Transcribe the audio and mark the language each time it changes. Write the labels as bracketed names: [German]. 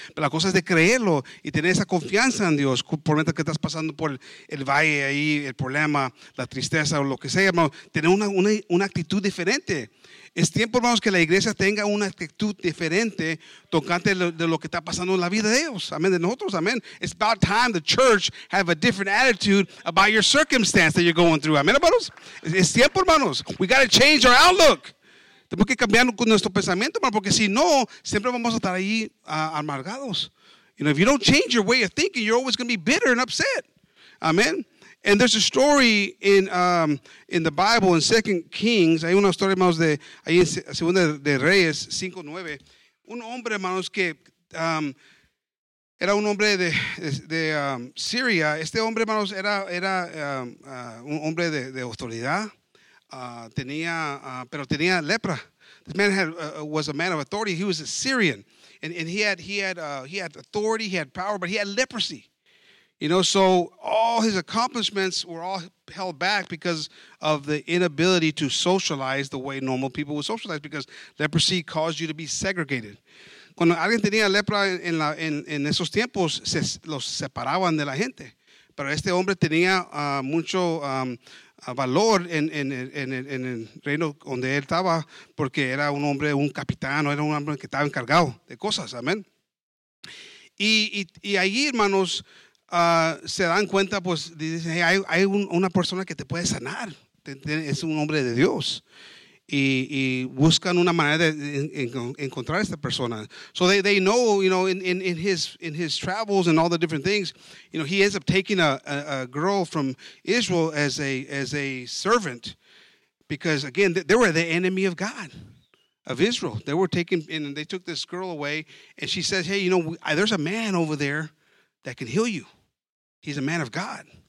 [Spanish] Pero la cosa es de creerlo y tener esa confianza en Dios, por mientras que estás pasando por el valle ahí, el problema, la tristeza o lo que sea, hermano. Tener una actitud diferente. Es tiempo, hermanos, que la iglesia tenga una actitud diferente tocante de lo que está pasando en la vida de ellos. Amén, de nosotros. Amén. [English] It's about time the church have a different attitude about your circumstance that you're going through. [Spanish] Amén, hermanos. Es tiempo, hermanos. [English] We got to change our outlook. [Spanish] Tenemos que cambiar nuestro pensamiento, hermano, porque si no, siempre vamos a estar ahí amargados. [English] You know, if you don't change your way of thinking, you're always going to be bitter and upset. Amén. And there's a story in the Bible in 2 Kings. [Spanish] Hay una historia, hermanos, de ahí en Segunda de Reyes 5:9. Un hombre, hermanos, que era un hombre de Siria. Este hombre, hermanos, era un hombre de autoridad. Tenía lepra. [English] This man was a man of authority. He was a Syrian, and he had authority. He had power, but he had leprosy. You know, so all his accomplishments were all held back because of the inability to socialize the way normal people would socialize because leprosy caused you to be segregated. [Spanish] Cuando alguien tenía lepra en esos tiempos, se los separaban de la gente. Pero este hombre tenía mucho valor en el reino donde él estaba porque era un hombre, un capitán, era un hombre que estaba encargado de cosas. Amén. Y allí, hermanos, se dan cuenta, pues, dicen, hey, hay una persona que te puede sanar, es un hombre de Dios, y buscan una manera de encontrar a esta persona. [English] So they know, you know, in his travels and all the different things, you know, he ends up taking a girl from Israel as a servant, because again, they were the enemy of God. of Israel. They were taken in, and they took this girl away, and she says, hey, you know, there's a man over there that can heal you. He's a man of God.